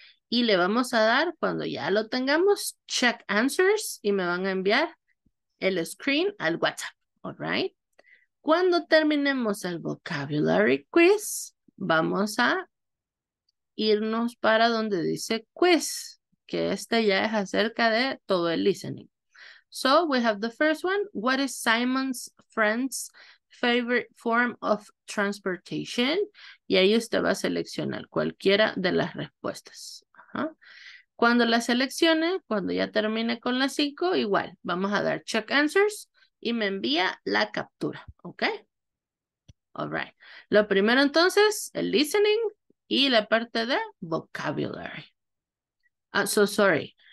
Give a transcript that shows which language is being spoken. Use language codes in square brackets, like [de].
[es] Y le vamos a dar, cuando ya lo tengamos, [en] check answers [es] y me van a enviar el screen al WhatsApp, [en] all right? [es] Cuando terminemos el vocabulary quiz, vamos a irnos para donde dice quiz, que este ya es acerca de todo el listening. [en] So, we have the first one. What is Simon's friend's favorite form of transportation? [es] Y ahí usted va a seleccionar cualquiera de las respuestas. Cuando la seleccione, cuando ya termine con las 5, igual, vamos a dar check answers y me envía la captura, ¿ok? [en] All right. [es] Lo primero entonces, el listening y la parte de vocabulary. [en] So sorry.